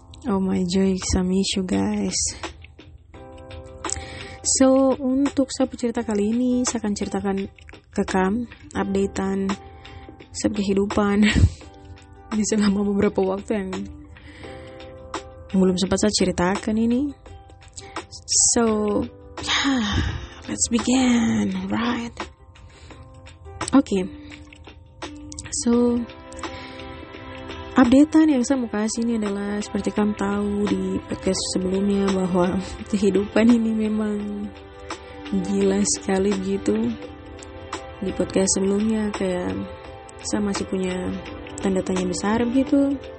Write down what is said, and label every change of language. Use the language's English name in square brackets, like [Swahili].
[English] Oh my joy, some issue guys. [Indonesian] So, untuk Sapu Cerita kali ini saya akan ceritakan ke kamu updatean sebuah kehidupan di selama beberapa waktu yang belum sempat saya ceritakan ini. [English] So, yeah, let's begin, right? Okay. [Indonesian] So, updatean yang saya mau kasih ini adalah seperti kamu tahu di podcast sebelumnya bahwa kehidupan ini memang gila sekali gitu. Di podcast sebelumnya kayak saya masih punya tanda tanya besar gitu.